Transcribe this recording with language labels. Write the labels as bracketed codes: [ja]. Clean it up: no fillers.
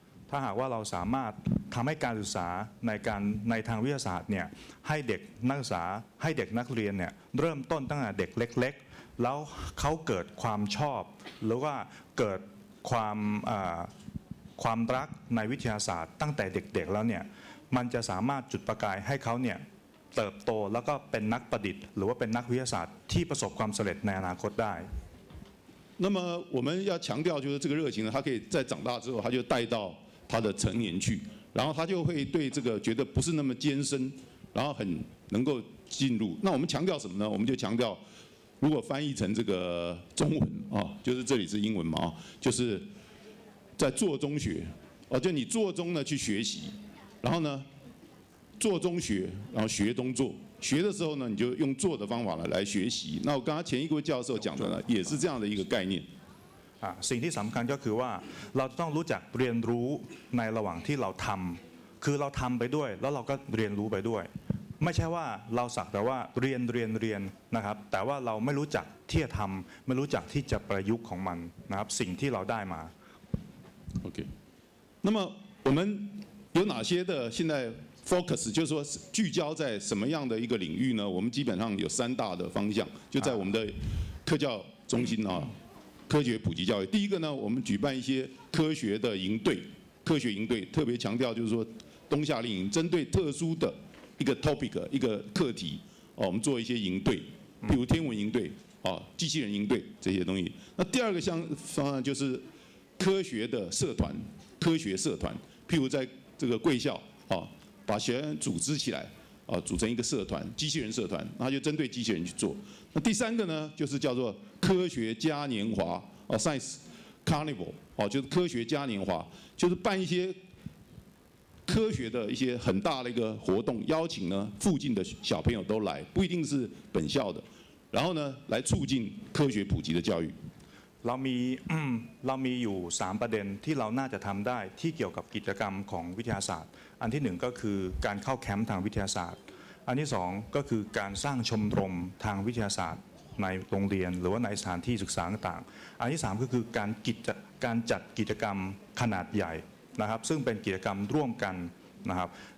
[th] ถ้าหากว่าเราสามารถทำให้การศึกษาในการในทางวิทยาศาสตร์เนี่ยให้เด็กนักศึกษาให้เด็กนักเรียนเนี่ยเริ่มต้นตั้งแต่เด็กเล็กๆแล้วเขาเกิดความชอบหรือว่าเกิดความรักในวิทยาศาสตร์ตั้งแต่เด็กๆแล้วเนี่ยมันจะสามารถจุดประกายให้เขาเนี่ยเติบโตแล้วก็เป็นนักประดิษฐ์หรือว่าเป็นนักวิทยาศาสตร์ที่ประสบความสำเร็จในอนาคตได้ [zh] 那么我们要强调就是这个热情呢它可以在长大之后它就带到他的成年去然后他就会对这个觉得不是那么艰深然后很能够进入那我们强调什么呢我们就强调如果翻译成这个中文就是这里是英文嘛就是在做中学就你做中呢去学习然后呢做中学然后学中做学的时候呢你就用做的方法来学习那我刚才前一位教授讲的呢也是这样的一个概念 [th] สิ่งที่สำคัญก็คือว่าเราต้องรู้จักเรียนรู้ในระหว่างที่เราทำคือเราทำไปด้วยแล้วเราก็เรียนรู้ไปด้วยไม่ใช่ว่าเราสักแต่ว่าเรียนนะครับแต่ว่าเราไม่รู้จักที่จะทำไม่รู้จักที่จะประยุกต์ของมันนะครับสิ่งที่เราได้มา [zh] โอเค那么我们有哪些的现在 focus 就是说聚焦在什么样的一个领域呢我们基本上有三大的方向就在我们的科教中心啊科学普及教育第一个呢我们举办一些科学的营队科学营队特别强调就是说冬夏令营针对特殊的一个 topic 一个课题我们做一些营队比如天文营队机器人营队这些东西那第二个方案就是科学的社团科学社团譬如在这个贵校把学员组织起来组成一个社团机器人社团那就针对机器人去做那第三个呢就是叫做科学嘉年华Science Carnival 就是科学嘉年华就是办一些科学的一些很大的一个活动邀请呢附近的小朋友都来不一定是本校的然后呢来促进科学普及的教育 [th] เรามีอยู่3ประเด็นที่เราน่าจะทำได้ที่เกี่ยวกับกิจกรรมของวิทยาศาสตร์อันที่1ก็คือการเข้าแคมป์ทางวิทยาศาสตร์อันที่2ก็คือการสร้างชมรมทางวิทยาศาสตร์ในโรงเรียนหรือว่าในสถานที่ศึกษาต่างๆอันที่3ก็คือการจัดกิจกรรมขนาดใหญ่นะครับซึ่งเป็นกิจกรรมร่วมกันนะครับ